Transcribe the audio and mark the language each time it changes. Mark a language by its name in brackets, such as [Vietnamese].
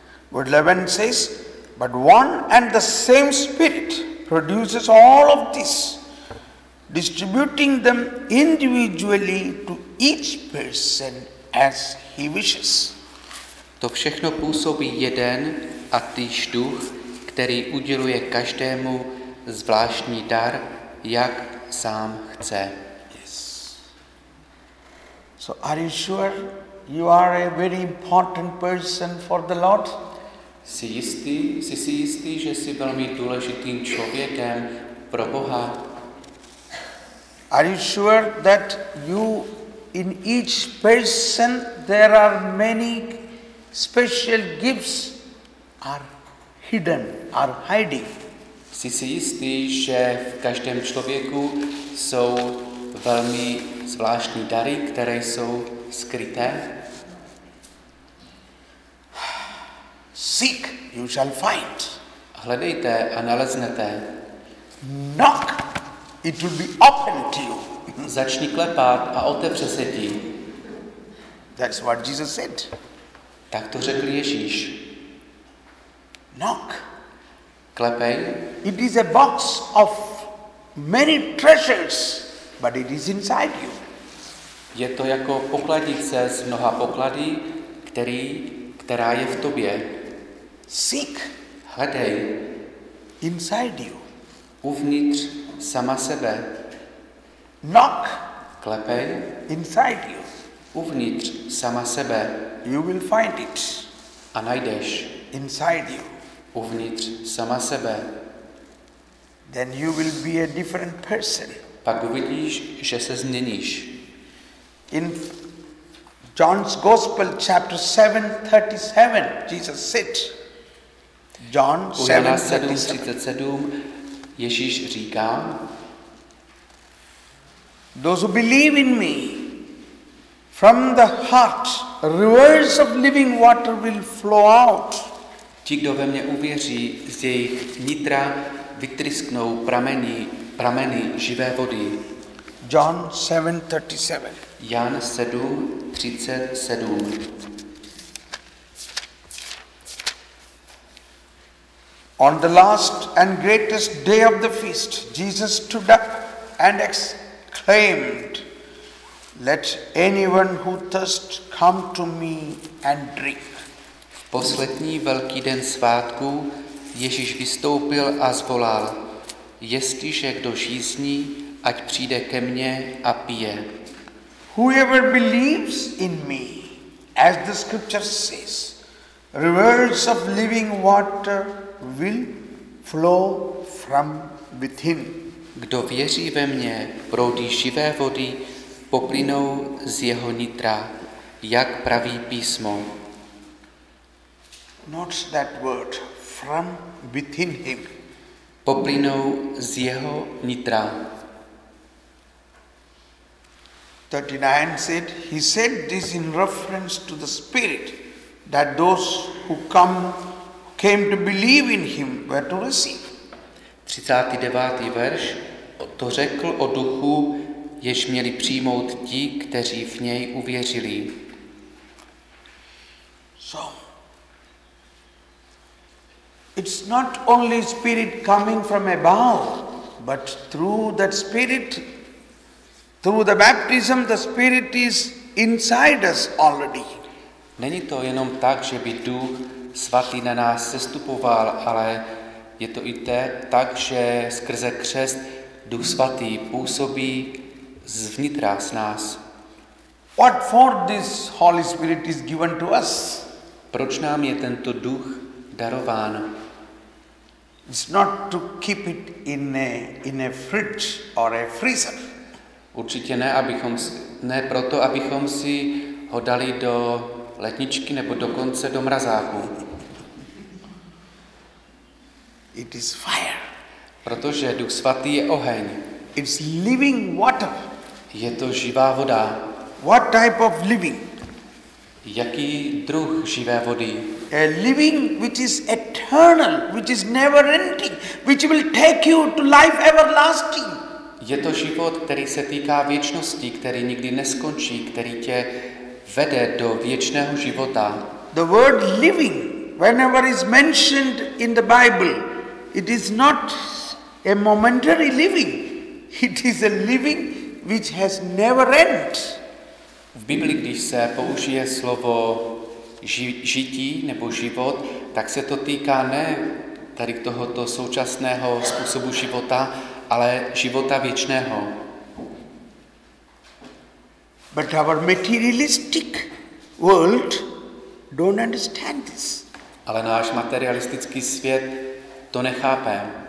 [English] verse 11 says, but one and the same Spirit produces all of this, distributing them individually to each person as he wishes. [Czech] To všechno působí jeden a týž duch, který uděluje každému zvláštní dar, jak sám chce. [English] So are you sure you are a very important person for the Lord? [Czech] Jsi si jistý, že jsi velmi důležitým člověkem pro Boha? [English] Are you sure that you in each person there are many special gifts are hidden, are hiding? [Czech] Jsi si jistý, že v každém člověku jsou velmi zvláštní dary, které jsou skryté? [English] Seek, you shall find. [Czech] Hledejte a naleznete. [English] Knock, it will be opened to you. [Czech] Začni klepat a otevře se ti. [English] That's what Jesus said. [Czech] Tak to řekl Ježíš. [English] Knock. [Czech] Klepej. [English] It is a box of many treasures. But it is inside you. [Czech] Je to jako pokladnice s mnoha poklady, která je v tobě. [English] Seek. [Czech] Hledej. [English] Inside you. [Czech] Uvnitř sama sebe. [English] Knock. [Czech] Klepej. [English] Inside you. [Czech] Uvnitř sama sebe. [English] You will find it. [Czech] A najdeš. [English] Inside you. [Czech] Uvnitř sama sebe. [English] Then you will be a different person. [Czech] Pak uvidíš, že se změníš. [English] In John's Gospel chapter 7:37 Jesus said. John [Czech] 7:37 Ježíš říká: [English] Those who believe in me, from the heart rivers of living water will flow out. [Czech] Ti, kdo ve mě uvěří, z jejich nitra vytrysknou prameny živé vody. [English] John 7:37. [Czech] Jan 7:37. [English] On the last and greatest day of the feast, Jesus stood up and exclaimed, "Let anyone who thirsts come to me and drink." [Czech] Poslední velký den svátku Ježíš vystoupil a zvolal: Jestliže kdo žízní, ať přijde ke mně a pije. [English] Whoever believes in me, as the scripture says, rivers of living water will flow from within. [Czech] Kdo věří ve mně, proudí živé vody poplynou z jeho nitra, jak praví písmo. [English] Not that word, from within him. [Czech] Poplynou z jeho nitra. [English] 39 said, he said this in reference to the spirit, that those who came to believe in him were to receive. [Czech] 39. verš to řekl o duchu, jež měli přijmout ti, kteří v něj uvěřili. [English] So, it's not only spirit coming from above, but through that spirit, through the baptism, the spirit is inside us already. [Czech] Není to jenom tak, že by duch svatý na nás sestupoval, ale je to i tak, že skrze křest duch svatý působí zvnitra z nás. [English] What for this Holy Spirit is given to us? [Czech] Proč nám je tento duch darován? [English] It's not to keep it in a fridge or a freezer. [Czech] Určitě ne, abychom si ho dali do letničky nebo dokonce do mrazáku. [English] It is fire. [Czech] Protože Duch svatý je oheň. [English] It's living water. [Czech] Je to živá voda. [English] What type of living? [Czech] Jaký druh živé vody? [English] A living which is eternal, which is never ending, which will take you to life everlasting. [Czech] Je to život, který se týká věčnosti, který nikdy neskončí, který tě vede do věčného života. [English] The word living, whenever is mentioned in the Bible, it is not a momentary living. It is a living which has never end. [Czech] V Biblii, když se použije slovo žití nebo život, tak se to týká ne tady tohoto současného způsobu života, ale života věčného. [English] But our materialistic world don't understand this. [Czech] Ale náš materialistický svět to nechápe.